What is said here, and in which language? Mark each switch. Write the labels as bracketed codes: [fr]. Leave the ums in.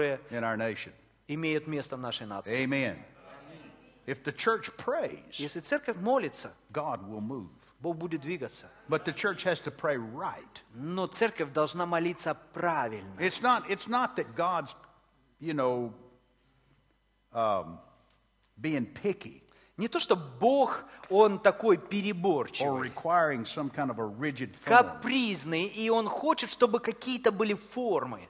[en] in our nation. Amen. If the church prays, God will move. But the church has to pray right. [ru] Но церковь должна молиться правильно. [en] It's not, it's not that God's, you know, um, being picky. [ru] Не то, что Бог, Он такой переборчивый, [en] kind of [ru] капризный, и Он хочет, чтобы какие-то были формы.